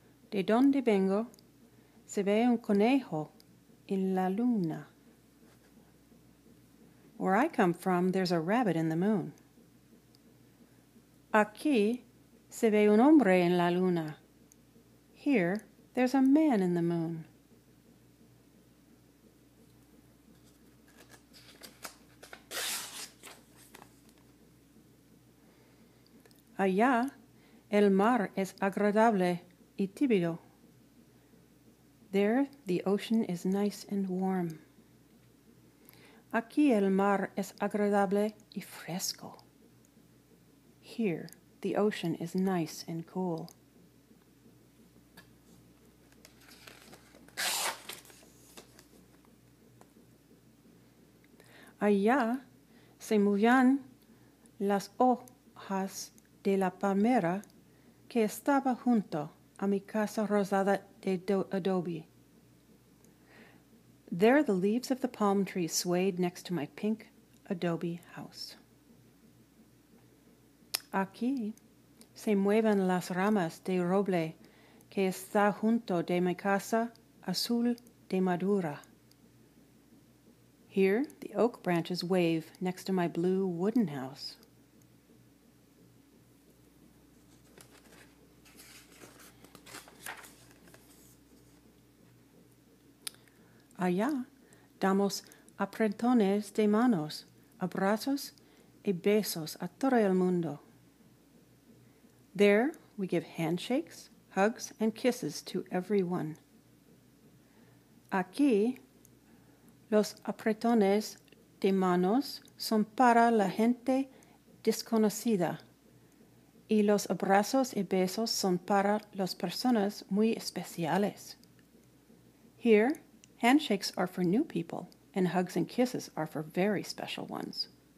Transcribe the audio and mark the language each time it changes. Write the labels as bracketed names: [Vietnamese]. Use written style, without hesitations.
[Spanish] De donde vengo, se ve un conejo en la luna. [English] Where I come from, there's a rabbit in the moon. [Spanish] Aquí se ve un hombre en la luna. [English] Here, there's a man in the moon. [Spanish] Allá, el mar es agradable y tibio. [English] There, the ocean is nice and warm. [Spanish] Aquí el mar es agradable y fresco. [English] Here, the ocean is nice and cool. [Spanish] Allá se mullan las hojas de la palmera que estaba junto a mi casa rosada de adobe. [English] There the leaves of the palm tree swayed next to my pink adobe house. [Spanish] Aquí se mueven las ramas de roble que está junto de mi casa azul de madura. [English] Here the oak branches wave next to my blue wooden house. [Spanish] Allá damos apretones de manos, abrazos y besos a todo el mundo. [English] There we give handshakes, hugs, and kisses to everyone. [Spanish] Aquí los apretones de manos son para la gente desconocida y los abrazos y besos son para las personas muy especiales. [English] Here, handshakes are for new people, and hugs and kisses are for very special ones.